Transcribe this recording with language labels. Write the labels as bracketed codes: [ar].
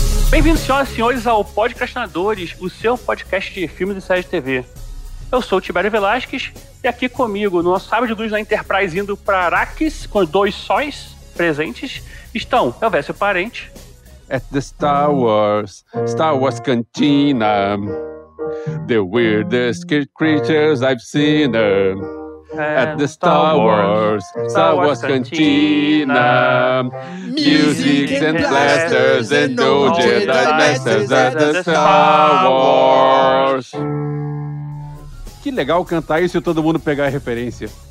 [pt] Bem-vindos, senhoras e senhores, ao Podcastinadores, o seu podcast de filmes e séries de TV. Eu sou o Tibério Velasquez e aqui comigo, no nosso sábado de luz na Enterprise indo para Arrakis, com dois sóis presentes, estão Elvésio Parente. [en] At the Star Wars Cantina, the weirdest creatures I've seen. At the Star Wars Cantina, music and blasters and no Jedi masters at the Star Wars. [pt] Que legal cantar isso e todo mundo pegar a referência.